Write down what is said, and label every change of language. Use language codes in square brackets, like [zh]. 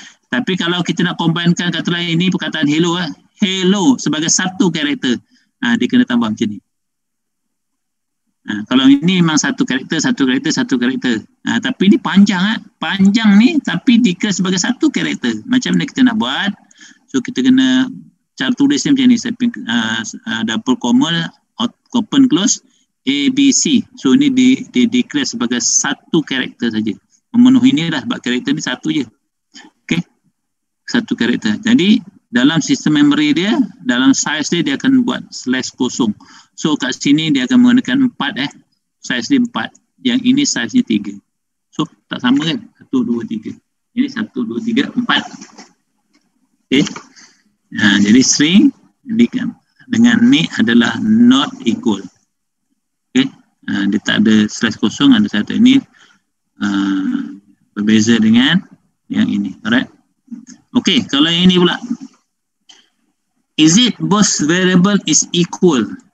[ms] Tapi kalau kita nak kombinkan kata lain ini, perkataan hello lah. Hello sebagai satu karakter. Ha, dia kena tambah macam ni. Ha, kalau ini memang satu karakter, satu karakter, satu karakter. Ha, tapi ini panjang lah. Panjang ni tapi dikira sebagai satu karakter. Macam mana kita nak buat? So kita kena cara tulis ni macam ni. [en] Double comma, open close. A, B, C. [ms] So, ini di-declare sebagai satu karakter saja. Memenuhi ini dah. Sebab karakter ni satu je. Okay. Satu karakter. Jadi, dalam sistem memory dia, dalam size dia, dia akan buat slash kosong. So, kat sini dia akan menggunakan empat eh. Size dia empat. Yang ini size dia tiga. So, tak sama kan? Satu, dua, tiga. Ini satu, dua, tiga, empat. Okay. Ha, jadi, string dengan ni adalah [en] not equal. [ms] Dia tak ada slash kosong, ada satu ini berbeza dengan yang ini. Alright. Okay, kalau yang ini pula. [en] Is it both variable is equal?